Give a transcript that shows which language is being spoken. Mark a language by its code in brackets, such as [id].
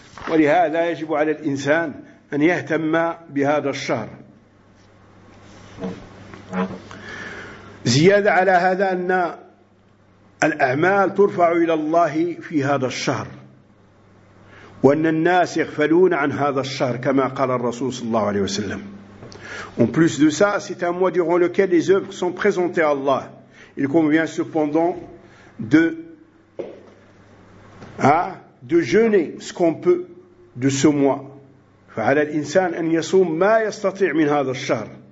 [ar] ولهذا يجب على الإنسان أن يهتم بهذا الشهر. زيادة على هذا أن الأعمال ترفع إلى الله في هذا الشهر، وأن الناس يغفلون عن هذا الشهر كما قال الرسول صلى الله عليه وسلم. [fr] En plus de ça, c'est un mois durant lequel les œuvres sont présentées à Allah. Il convient cependant de jeûner ce qu'on peut de ce mois. [ar] فعلى الإنسان أن يصوم ما يستطيع من هذا الشهر.